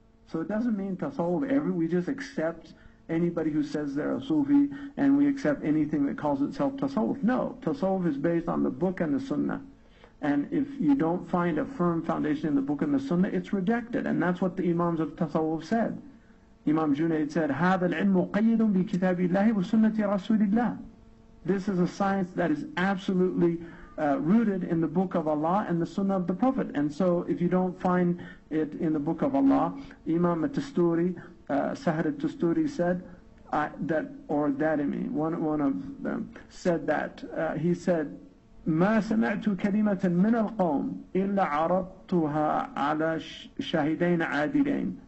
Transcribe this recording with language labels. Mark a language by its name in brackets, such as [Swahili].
[English] So it doesn't mean tasawwuf, we just accept anybody who says they're a Sufi and we accept anything that calls itself tasawwuf. No, tasawwuf is based on the book and the sunnah. And if you don't find a firm foundation in the book and the sunnah, it's rejected. And that's what the imams of tasawwuf said. Imam Junaid said, [Arabic] هذا العلم قيد بكتاب الله وسنة رسول الله. [English] This is a science that is absolutely rooted in the book of Allah and the sunnah of the Prophet. And so if you don't find it in the book of Allah, Imam At-Tusturi, Sahar At-Tusturi said, that, or Darimi, one of them, said that, he said, [Arabic] ما سمعت كلمة من القوم إلا عرضتها على شهدين عادلين.